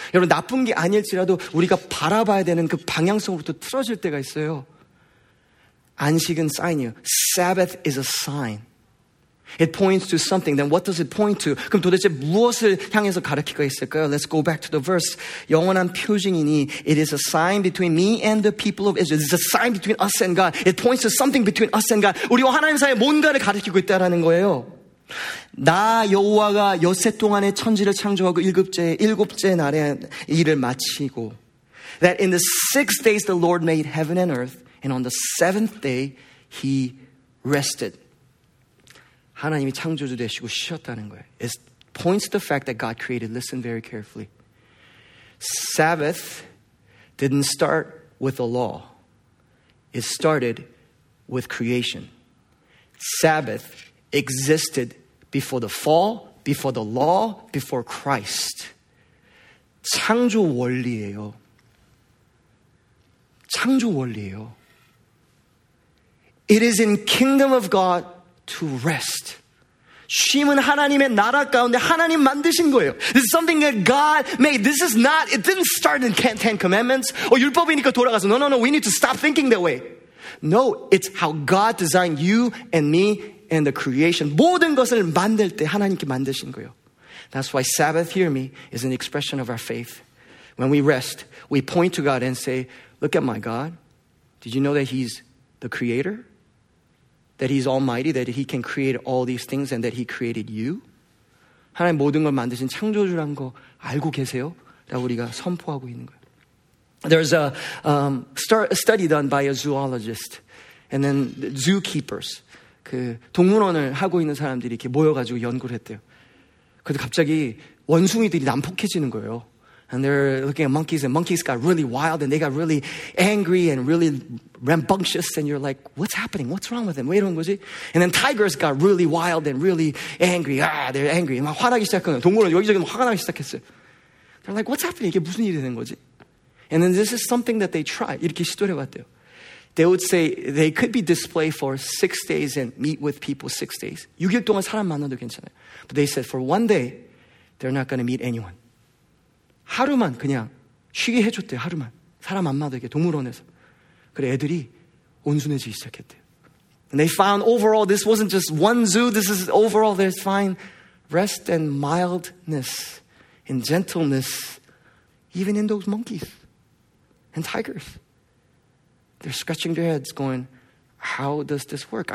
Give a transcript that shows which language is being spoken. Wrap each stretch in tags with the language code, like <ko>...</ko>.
<ko>여러분, 나쁜 게 아닐지라도 우리가 바라봐야 되는 그 방향성으로부터 틀어질 때가 있어요. 안식은 sign이에요.</ko> <en>Sabbath is a sign. It points to something. Then what does it point to?</en> <ko>그럼 도대체 무엇을 향해서 가르치고 있을까요?</ko> <en>Let's go back to the verse.</en> <ko>영원한 표징이니</ko> <en>It is a sign between me and the people of Israel. It's a sign between us and God. It points to something between us and God.</en> <ko>우리와 하나님 사이에 뭔가를 가르치고 있다라는 거예요. 나 여호와가 엿새 동안에 천지를 창조하고 일곱째 날에 일을 마치고</ko> <en>That in the six days the Lord made heaven and earth and on the seventh day he rested.</en> <ko>하나님이 창조주 되시고 쉬셨다는 거예요.</ko> <en>It points to the fact that God created. Listen very carefully. Sabbath didn't start with the law. It started with creation. Sabbath existed before the fall, before the law, before Christ.</en> <ko>창조 원리예요. 창조 원리예요.</ko> <en>It is in kingdom of God to rest.</en> <ko>쉼은 하나님의 나라 가운데 하나님 만드신 거예요.</ko> <en>This is something that God made. This is not, it didn't start in the Ten Commandments.</en> <ko>어, 율법이니까 돌아가서.</ko> <en>No, no, no, we need to stop thinking that way. No, it's how God designed you and me and the creation.</en> <ko>모든 것을 만들 때 하나님께 만드신 거예요.</ko> <en>That's why Sabbath, hear me, is an expression of our faith. When we rest, we point to God and say, look at my God. Did you know that he's the creator? That he's almighty, that he can create all these things and that he created you.</en> <ko>하나님 모든 걸 만드신 창조주란 거 알고 계세요? 라고 우리가 선포하고 있는 거예요.</ko> <en>There's a study done by a zoologist and then the zookeepers.</en> <ko>그 동물원을 하고 있는 사람들이 이렇게 모여가지고 연구를 했대요. 그런데 갑자기 원숭이들이 난폭해지는 거예요.</ko> <en>And they're looking at monkeys and monkeys got really wild and they got really angry and really rambunctious and you're like, what's happening? What's wrong with them?</en> <ko>왜 이런 거지?</ko> <en>And then tigers got really wild and really angry. Ah, they're angry.</en> <ko>막 화나기 시작하는 동물은 여기저기 막 화가 나기 시작했어요.</ko> <en>They're like, what's happening?</en> <ko>이게 무슨 일이 되는 거지?</ko> <en>And then this is something that they tried.</en> <ko>이렇게 시도를 해봤대요.</ko> <en>They would say they could be displayed for 6 days and meet with people 6 days.</en> <ko>6일 동안 사람 만나도 괜찮아요.</ko> <en>But they said for one day, they're not going to meet anyone.</en> <ko>하루만 그냥 쉬게 해줬대요. 하루만. 사람 안 만나도 이게 동물원에서. 그래 애들이 온순해지기 시작했대요.</ko> <en>And they found overall this wasn't just one zoo. This is overall there's fine rest and mildness and gentleness even in those monkeys and tigers. They're scratching their heads going, how does this work?</en>